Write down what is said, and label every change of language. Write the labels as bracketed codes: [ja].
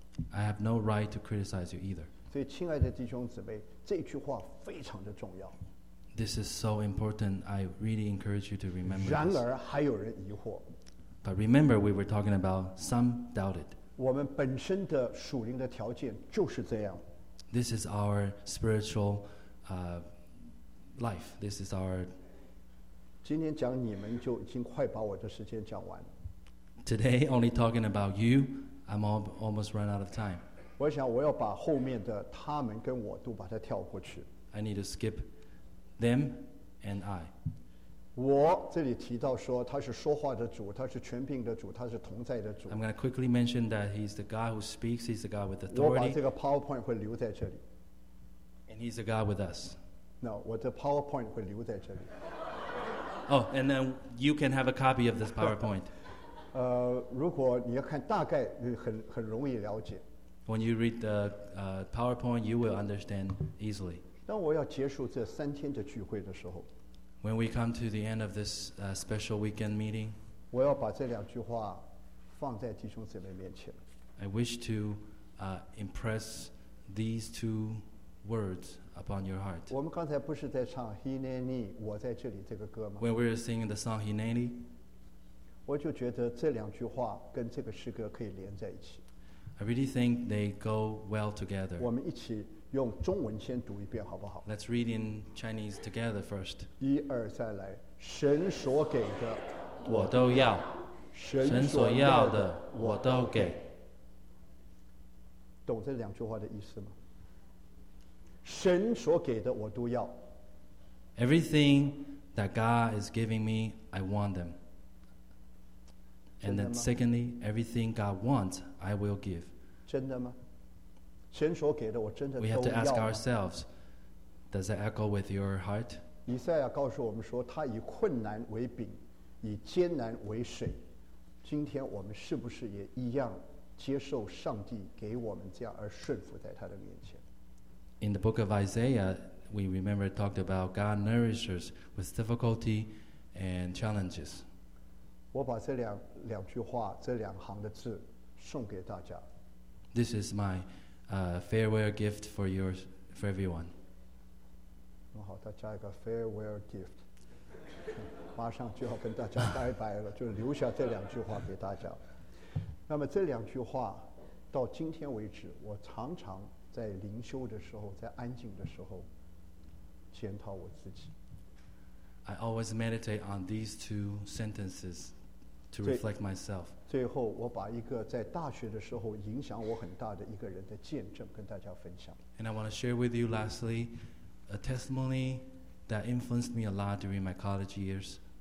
[en] I have no right to criticize you either. [zh] 所以亲爱的弟兄姊妹, [en] this is so important. I really encourage you to remember [zh] 然而还有人疑惑, [en] this. But remember, we were talking about some doubted. [zh] 我们本身的属灵的条件就是这样。 [en] This is our spiritual life. This is our. [zh] 今天讲你们就已经快把我的时间讲完了。 [en] Today, only talking about you, I'm almost run out of time. [zh] 我想我要把后面的他们跟我都把它跳过去。 [en] I need to skip them and I. [zh] 我这里提到说他是说话的主，他是权柄的主，他是同在的主。 [en] I'm going to quickly mention that he's the God who speaks, he's the God with authority. [zh] 我把这个 PowerPoint 会留在这里。 [en] And he's the God with us. [zh] No, 我的 PowerPoint 会留在这里。 [en] Oh, and then you can have a copy of this PowerPoint. [zh] 如果你要看大概，很容易了解。 [en] When you read the PowerPoint, you will understand easily. [zh] 当我要结束这三天的聚会的时候 [en] ，When we come to the end of this special weekend meeting, [zh] 我要把这两句话放在弟兄姊妹面前。 [en] I wish to impress these two words upon your heart. [zh] 我们刚才不是在唱 Hineni, 我在这里这个歌吗 [en] ？When we were singing the song Hineni. [zh] 我就觉得这两句话跟这个诗歌可以连在一起。 [en] I really think they go well together. [zh] 我们一起用中文先读一遍，好不好 [en] ？Let's read in Chinese together first. [zh] 一二再来，神所给的我都要，神所要的我都给。懂这两句话的意思吗？神所给的我都要。 [en] Everything that God is giving me, I want them. And then secondly, everything God wants, I will give. [zh] 真的吗？神所给的，我真的都要。 [en] We have to ask ourselves, does that echo with your heart? [zh] 以赛亚告诉我们说，他以困难为饼，以艰难为水。今天我们是不是也一样接受上帝给我们这样而顺服在他的面前？ [en] In the book of Isaiah, we remember talked about God nourishes with difficulty and challenges. [zh] 我把这两句话这两行的字送给大家。 [en] This is my farewell gift for yours for everyone. [zh] 那好，再加一个 [en] farewell gift， [zh] 马上就要跟大家拜拜了，就留下这两句话给大家。那么这两句话到今天为止，我常常在灵修的时候，在安静的时候检讨我自己。 [en] I always meditate on these two sentences to reflect myself. [zh] 最后，我把一个在大学的时候影响我很大的一个人的见证跟大家分享。 [en] And I want to share with you lastly a testimony that influenced me a lot during my college years.